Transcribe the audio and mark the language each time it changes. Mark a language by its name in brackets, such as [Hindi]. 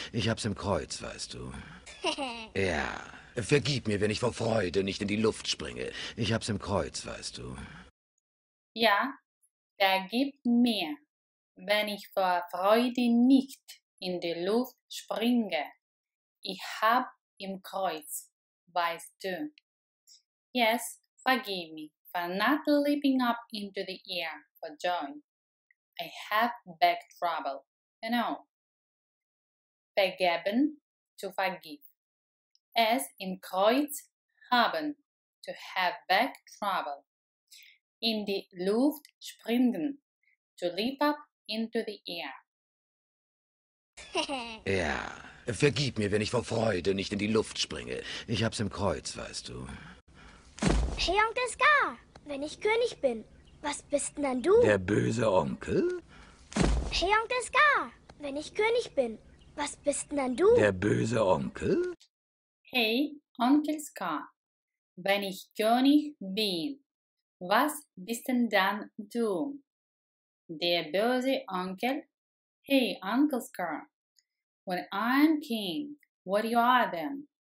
[German] Ich hab's im Kreuz, weißt du. Ja. Vergib mir, wenn ich vor Freude nicht in die Luft springe. Ich hab's im Kreuz, weißt du. Ja, der gibt mir, wenn ich vor Freude nicht in die Luft springe. Ich hab im Kreuz, weißt du. [English] Yes, forgive me for not leaping up into the air for joy. I have back trouble, you know. Vergeben, to forgive. [German] Es im Kreuz haben, [English] to have back trouble. [German] In die Luft springen, [English] to leap up into the air. [German] Ja, vergib mir, wenn ich vor Freude nicht in die Luft springe. Ich hab's im Kreuz, weißt du. Hey, Onkel Scar, wenn ich König bin, was bist denn dann du? Der böse Onkel? Hey, Onkel Scar, wenn ich König bin, was bist denn dann du? Der böse Onkel? Hey, Onkel Scar, wenn ich König bin, was bist denn dann du? Der böse Onkel? [English] Hey, Onkel Scar, when I'm king, what you are then?